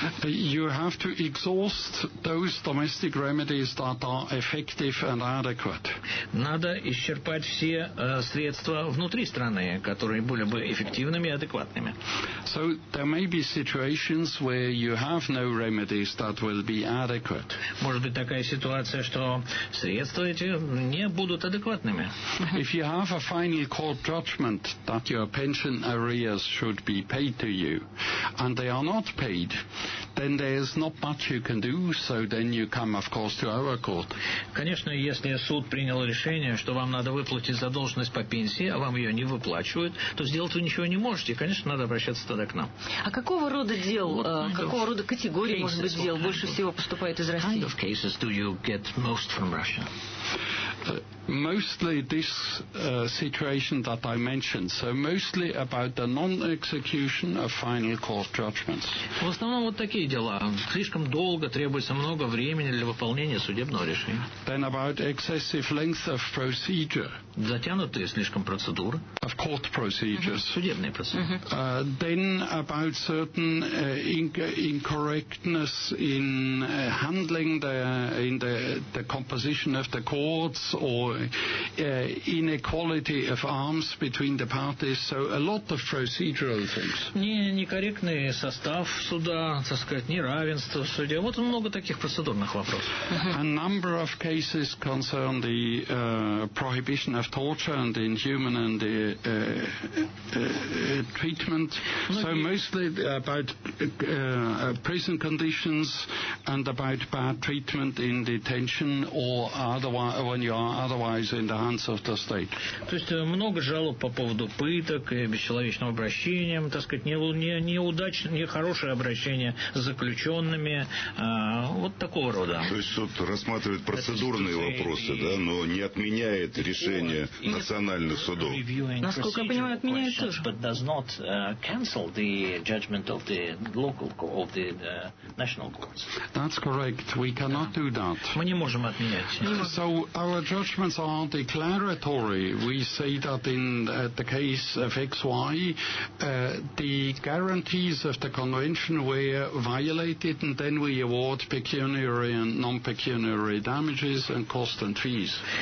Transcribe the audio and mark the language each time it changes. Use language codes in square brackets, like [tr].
[en] You have to exhaust those domestic remedies that are effective and adequate. [ru] Надо исчерпать все средства внутри страны, которые были бы эффективными и адекватными. [en] So there may be situations where you have no remedies that will be adequate. [ru] Может быть такая ситуация, что средства эти не будут адекватными. [en] If you have a final court judgment that your pension arrears should be paid to you, and they are not paid, then there's not much you can do, so then you come, of course, to our court. [ru] Конечно, если суд принял решение, что вам надо выплатить задолженность по пенсии, а вам ее не выплачивают, то сделать вы ничего не можете. Конечно, надо обращаться тогда к нам. А какого рода дел, какого рода категории, может быть, дел больше всего поступает из России? [en] What kind of cases do you get most from Russia? Mostly this situation that I mentioned. So mostly about the non-execution of final court judgments. [ru] В основном вот такие дела. Слишком долго, требуется много времени для выполнения судебного решения. [en] Then about excessive length of procedure. [ru] Затянутые слишком процедуры. [en] Of court procedures. [ru] Судебные процедуры. [en] Then about certain incorrectness in handling the composition of the courts or inequality of arms between the parties, so a lot of procedural things. [ru] Некорректный состав суда, так сказать, неравенство в суде. Вот много таких процедурных вопросов. [en] A number of cases concern the prohibition of torture and the inhuman and the treatment. So mostly about prison conditions and about bad treatment in detention or otherwise when you are otherwise in the hands of the state. [ru] То есть много жалоб по поводу пыток и бесчеловечного обращения, так сказать, нехорошее обращение с заключенными, вот такого рода. То есть суд рассматривает процедурные вопросы, да, но не отменяет решение национальных судов. Насколько я понимаю, отменяет тоже. [en] But does not cancel the judgment of the local of the national courts. That's correct. We cannot do that. [ru] Мы не можем отменять. [en] So our judgment judgments are declaratory. We say that in the case of XY, the guarantees of the convention were violated, and then we award pecuniary and non-pecuniary damages and costs and fees.